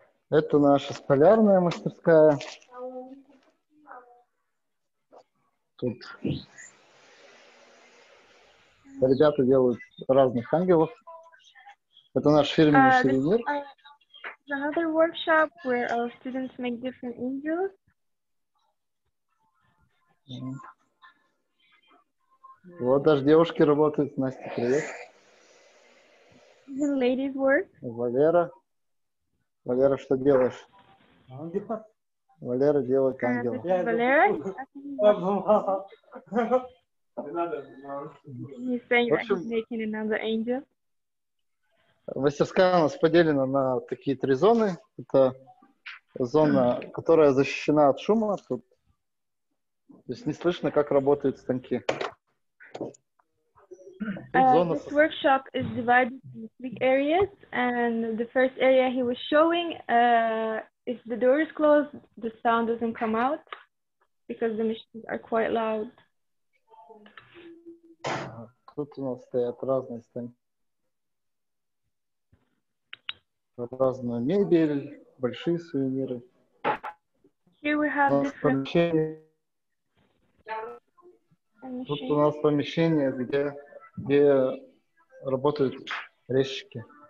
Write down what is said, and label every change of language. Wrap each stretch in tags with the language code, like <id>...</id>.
<ru>Это наша столярная мастерская. Тут ребята делают разных ангелов. Это наш фирменный сувенир.</ru> <en>is another workshop where our students make different videos.</en> <ru>Вот даже девушки работают. Настя, привет.</ru> <en>The ladies work.</en> <ru>Валера. Валера, что делаешь? Ангел. Валера делает ангел. Валера? Мастерская у нас поделена на такие три зоны. Это зона, которая защищена от шума. Тут. То есть не слышно, как работают станки.</ru> <en>This workshop is divided into three areas, and the first area he was showing, if the door is closed, the sound doesn't come out, because the machines are quite loud.</en> <ru>Тут у нас стоят разные станки. Разную мебель, большие сувениры.</ru> <en>Here we have different...</en> <ru>Тут у нас помещение, где работают резчики.</ru>